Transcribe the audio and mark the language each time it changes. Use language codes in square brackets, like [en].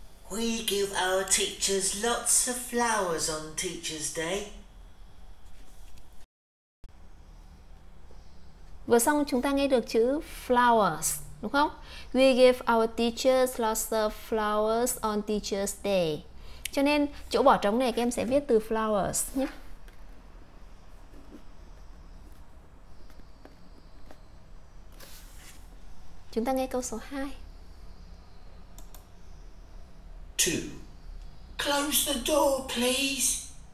[en] We give our teachers lots of flowers on Teacher's Day. [vi] Vừa xong chúng ta nghe được chữ flowers, đúng không? [en] We give our teachers lots of flowers on Teacher's Day. [vi] Cho nên chỗ bỏ trống này các em sẽ viết từ flowers nhé. Chúng ta nghe câu số 2. [en] 2. Close the door, please.